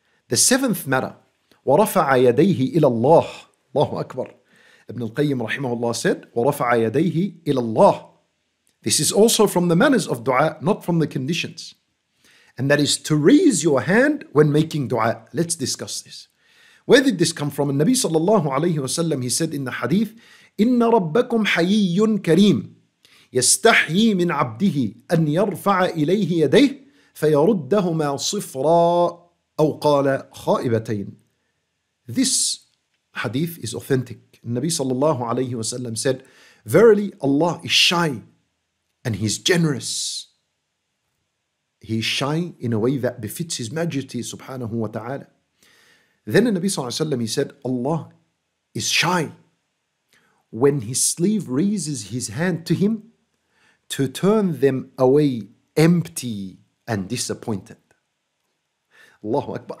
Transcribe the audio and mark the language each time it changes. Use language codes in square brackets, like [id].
[en] The seventh matter, [ar] وَرَفَعَ يَدَيْهِ إِلَى اللَّهِ اللَّهُ أَكْبَرُ [en] Ibn al-Qayyim rahimahullah said, [ar] وَرَفَعَ يَدَيْهِ إِلَى اللَّهِ [en] This is also from the manners of dua, not from the conditions. And that is to raise your hand when making dua. Let's discuss this. Where did this come from? [ar] Nabi sallallahu alayhi wa sallam, [en] he said in the hadith, [ar] إِنَّ رَبَّكُمْ حَيِّيٌ كَرِيمٌ يَسْتَحْيِي مِنْ عَبْدِهِ أَنْ يَرْفَعَ إِلَيْهِ يَدَيْهِ فَيَرُدَّهُمَا صِفْرًا أَوْ قَالَ خَائِبَتَيْنِ [en] This hadith is authentic. Nabi sallallahu alayhi wa sallam said, Verily Allah is shy and He's generous. He's shy in a way that befits His majesty subhanahu wa ta'ala. Then Nabi sallallahu alayhi wa sallam, he said, Allah is shy when His slave raises His hand to Him to turn them away empty and disappointed. Allahu Akbar.